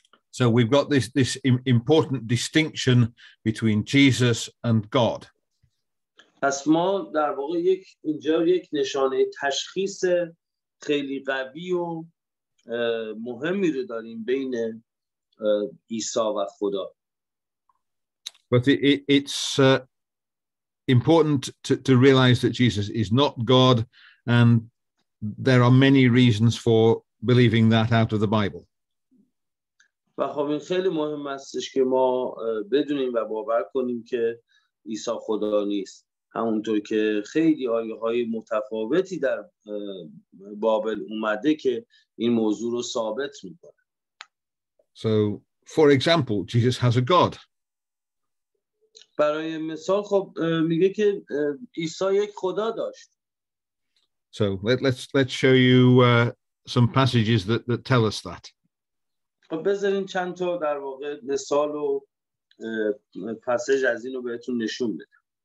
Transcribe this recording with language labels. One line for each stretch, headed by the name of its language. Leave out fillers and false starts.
English: So we've got this important distinction between Jesus and God.
Persian: پس ما در واقع اینجا یک نشانه تشخیص خیلی قوی و مهمی رو داریم بین عیسی و خدا.
English: But it's important to realize that Jesus is not God, and there are many reasons for believing that out of the Bible.
Persian: و خب این خیلی مهم استش که ما بدونیم و باور کنیم که عیسی خدا نیست، همونطور که خیلی آیه های متفاوتی در بابل اومده که این موضوع رو ثابت میکنه.
English: So for example, Jesus has a God.
Persian: برای مثال خب میگه که عیسی یک خدا داشت.
English: So let's show you some passages that tell us that.
Persian: خب بذارین چند تا در واقع مثال و پسج از اینو بهتون نشون بدم.